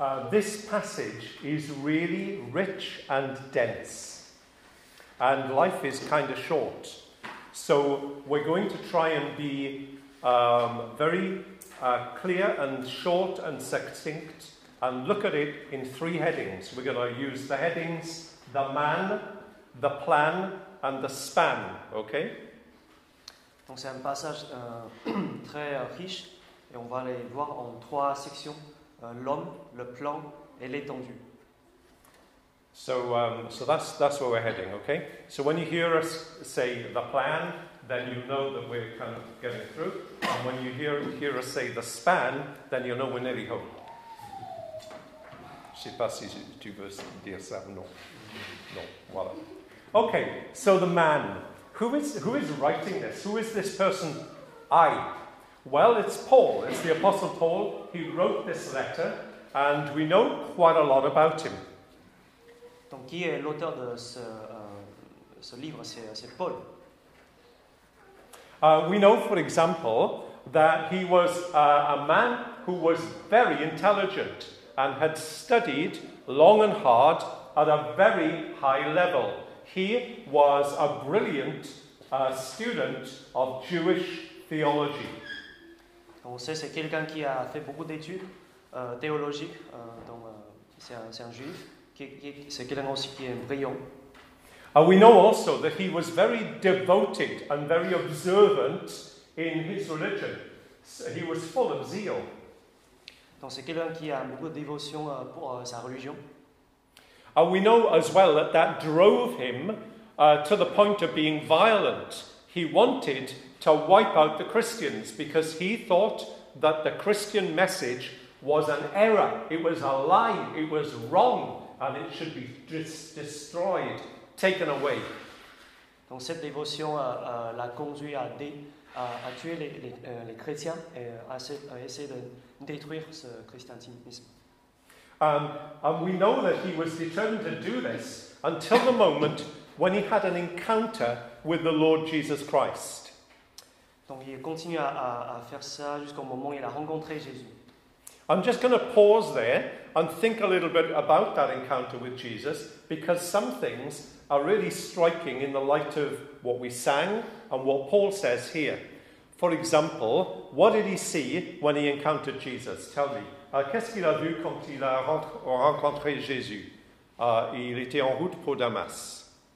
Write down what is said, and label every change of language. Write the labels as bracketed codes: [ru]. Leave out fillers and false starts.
[en] This passage is really rich and dense, and life is kind of short, so we're going to try and be very clear and short and succinct and look at it in three headings. We're going to use the headings, the man, the plan, and the span, okay? [fr] Donc c'est un passage très riche, et on va les voir en trois sections. L'homme, le plan et l'étendue. [en] So that's where we're heading, okay? So when you hear us say the plan, then you know that we're kind of getting through. And when you hear us say the span, then you know we're nearly home. [fr] Je sais pas si tu veux dire ça ou non. Non, voilà. [en] Okay, so the man. Who is writing this? Who is this person? I. Well, it's Paul. It's the Apostle Paul. He wrote this letter, and we know quite a lot about him. [fr] Donc, qui est l'auteur de ce livre? C'est Paul. [en] We know, for example, that he was a man who was very intelligent and had studied long and hard at a very high level. He was a brilliant student of Jewish theology. [fr] On sait que c'est quelqu'un qui a fait beaucoup d'études théologiques, donc c'est un juif, c'est quelqu'un aussi qui est brillant. [en] We know also that he was very devoted and very observant in his religion. He was full of zeal. [fr] Donc c'est quelqu'un qui a beaucoup de dévotion pour sa religion. [en] We know as well that drove him to the point of being violent. He wanted to wipe out the Christians because he thought that the Christian message was an error. It was a lie. It was wrong. And it should be destroyed, taken away. [fr] Donc cette dévotion l'a conduit à tuer les chrétiens et à essayer de détruire ce christianisme. [en] And we know that he was determined to do this until the moment when he had an encounter with the Lord Jesus Christ. [fr] Donc il continue à faire ça jusqu'au moment où il a rencontré Jésus. [en] I'm just going to pause there and think a little bit about that encounter with Jesus, because some things are really striking in the light of what we sang and what Paul says here. For example, what did he see when he encountered Jesus? Tell me. [fr] Qu'est-ce qu'il a vu quand il a rencontré Jésus? Il était en route pour Damas.